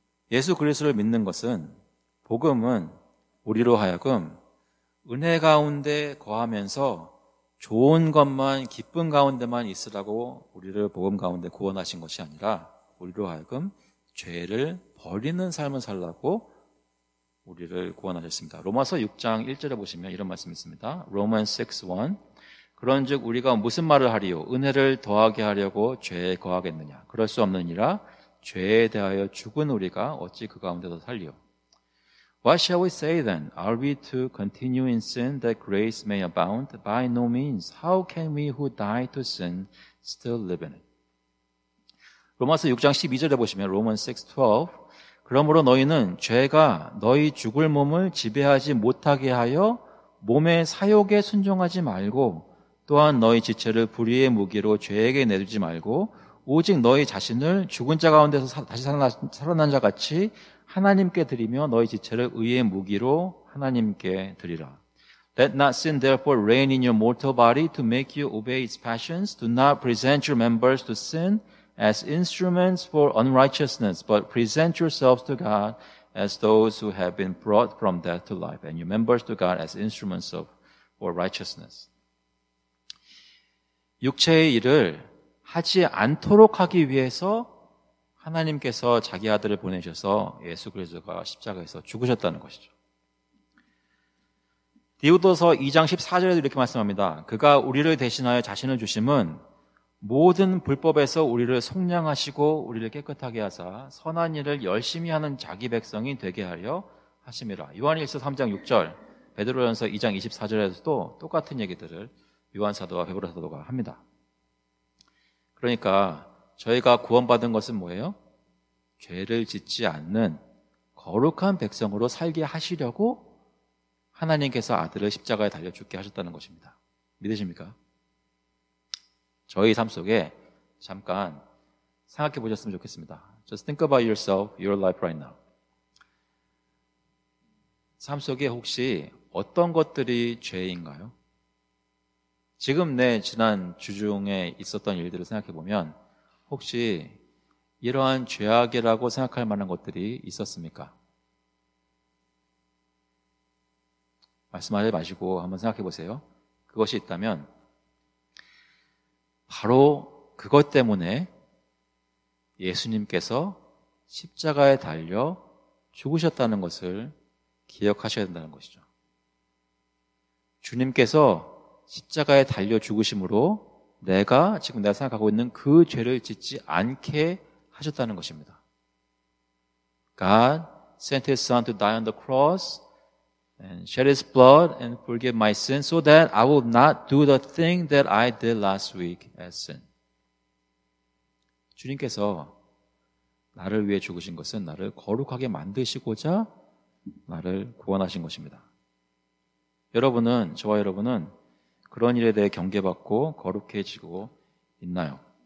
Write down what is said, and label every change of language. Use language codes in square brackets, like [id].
[ko] 예수 그리스도를 믿는 것은 복음은 우리로 하여금 은혜 가운데 거하면서 좋은 것만 기쁜 가운데만 있으라고 우리를 복음 가운데 구원하신 것이 아니라 우리로 하여금 죄를 버리는 삶을 살라고 우리를 구원하셨습니다. 로마서 6장 1절에 보시면 이런 말씀이 있습니다. [en] Romans 6:1. [ko] 그런즉 우리가 무슨 말을 하리요? 은혜를 더하게 하려고 죄에 거하겠느냐? 그럴 수 없느니라. 죄에 대하여 죽은 우리가 어찌 그 가운데서 살리요? [en] What shall we say then? Are we to continue in sin that grace may abound? By no means. How can we who die to sin still live in it? [ko] 로마서 6장 12절에 보시면 [en] Romans 6:12. [ko] 그러므로 너희는 죄가 너희 죽을 몸을 지배하지 못하게 하여 몸의 사욕에 순종하지 말고 또한 너희 지체를 불의의 무기로 죄에게 내주지 말고 오직 너희 자신을 죽은 자 가운데서 살아난 자 같이 하나님께 드리며 너희 지체를 의의 무기로 하나님께 드리라. [en] Let not sin therefore reign in your mortal body to make you obey its passions. Do not present your members to sin as instruments for unrighteousness, but present yourselves to God as those who have been brought from death to life, and your members to God as instruments of, for righteousness. [ko] 육체의 일을 하지 않도록 하기 위해서 하나님께서 자기 아들을 보내셔서 예수 그리스도가 십자가에서 죽으셨다는 것이죠. 디도서 2장 14절에도 이렇게 말씀합니다. 그가 우리를 대신하여 자신을 주심은 모든 불법에서 우리를 속량하시고 우리를 깨끗하게 하사 선한 일을 열심히 하는 자기 백성이 되게 하려 하심이라. 요한일서 3장 6절, 베드로전서 2장 24절에서도 똑같은 얘기들을 요한사도와 베드로사도가 합니다. 그러니까 저희가 구원받은 것은 뭐예요? 죄를 짓지 않는 거룩한 백성으로 살게 하시려고 하나님께서 아들을 십자가에 달려 죽게 하셨다는 것입니다. 믿으십니까? 저희 삶 속에 잠깐 생각해 보셨으면 좋겠습니다. [en] Just think about yourself, your life right now. [ko] 삶 속에 혹시 어떤 것들이 죄인가요? 지금 내 지난 주 중에 있었던 일들을 생각해 보면 혹시 이러한 죄악이라고 생각할 만한 것들이 있었습니까? 말씀하지 마시고 한번 생각해 보세요. 그것이 있다면 바로 그것 때문에 예수님께서 십자가에 달려 죽으셨다는 것을 기억하셔야 된다는 것이죠. 주님께서 십자가에 달려 죽으심으로 내가 지금 내가 생각하고 있는 그 죄를 짓지 않게 하셨다는 것입니다. [en] God sent his son to die on the cross and shed his blood and forgive my sin so that I will not do the thing that I did last week as sin. [ko] 주님께서 나를 위해 죽으신 것은 나를 거룩하게 만드시고자 나를 구원하신 것입니다. 여러분은, 저와 여러분은 그런 일에 대해 경계받고 거룩해지고 있나요?